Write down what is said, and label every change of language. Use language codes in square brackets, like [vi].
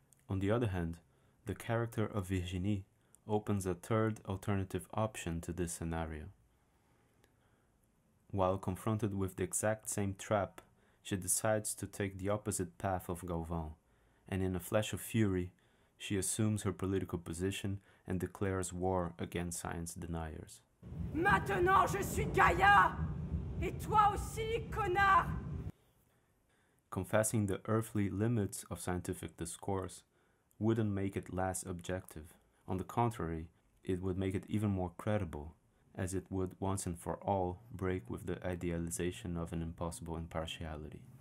[en] On the other hand, the character of Virginie opens a third alternative option to this scenario. While confronted with the exact same trap, she decides to take the opposite path of Galvão and in a flash of fury, she assumes her political position and declares war against science deniers. [fr] Maintenant, je suis Gaïa, et toi aussi, connard. [en] Confessing the earthly limits of scientific discourse wouldn't make it less objective. On the contrary, it would make it even more credible, as it would once and for all break with the idealization of an impossible impartiality.